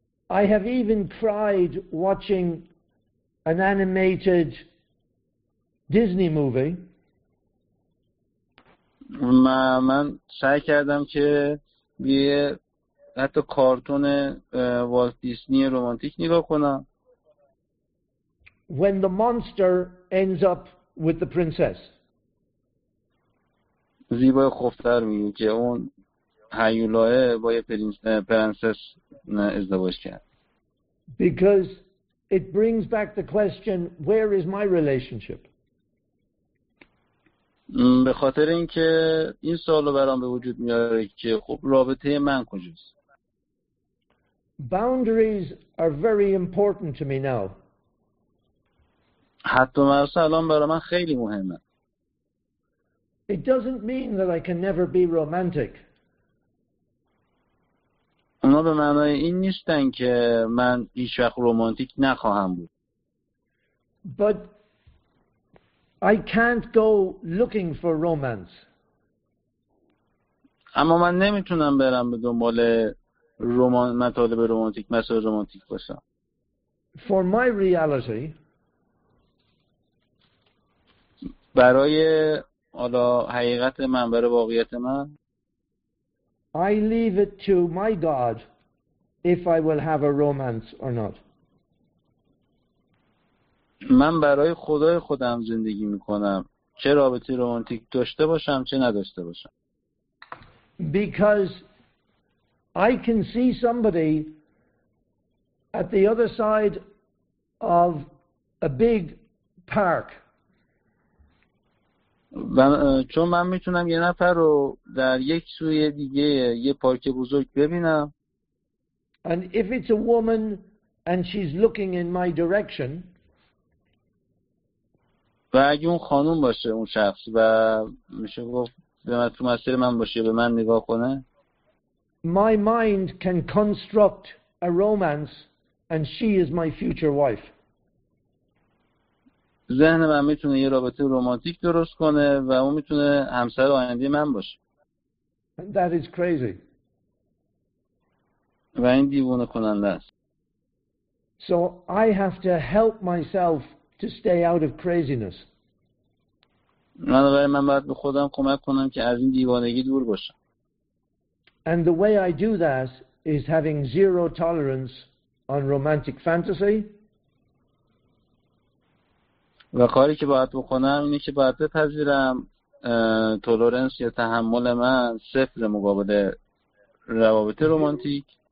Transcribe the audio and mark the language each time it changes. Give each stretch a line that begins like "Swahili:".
English: I have even tried watching an animated Disney movie.
Persian: من سعی کردم که یه حتی کارتون والت دیزنی رمانتیک نگاه کنم.
English: When the monster ends up with the princess.
Persian: زیبای خفتر میگه که اون هیولاه با یه پرنسس ازدواج کرد.
English: Because it brings back the question, where is my relationship?
Persian: به خاطر اینکه این سوالو برام به وجود میاره که خب رابطه من کجاست.
English: Boundaries are very important to me now.
Persian: حتی مرسه الان برای من خیلی مهمه.
English: It doesn't mean that I can never be romantic.
Persian: اونا به معنای این نیستن که من هیچ وقت رومانتیک نخواهم بود.
English: But I can't go looking for romance.
Persian: اما من نمیتونم برم به دنبال مطالب رومانتیک، مسائل رومانتیک باشم.
English: For my reality,
Persian: برای حالا حقیقت من، برای واقعیت من،
English: I leave it to my God if I will have a romance or not.
Persian: من برای خدای خودم زندگی میکنم، چه رابطه رومانتیک داشته باشم چه نداشته باشم.
English: Because I can see somebody at the other side of a big park.
Persian: چون من میتونم یه نفر رو در یک سوی دیگه یه پارک بزرگ ببینم.
English: And if it's a woman and she's looking in my direction.
Persian: و اگه اون خانوم باشه اون شخص و میشه گفت به من تو مسیر من باشه به من نگاه کنه.
English: My mind can construct a romance and she is my future wife.
Persian: ذهن من میتونه یه رابطه رمانتیک درست کنه و اون میتونه همسر آینده من باشه.
English: And that is crazy.
Persian: و این دیوونه کننده است.
English: So I have to help myself to stay out of craziness.
Persian: من باید به خودم کمک کنم که از این دیوانگی دور باشم.
English: And the way I do that is having zero tolerance on romantic fantasy.
Persian: و کاری که باید بکنم اینه که باید بپذیرم تولرنس یا تحمل من صفر مقابل روابط رومانتیک.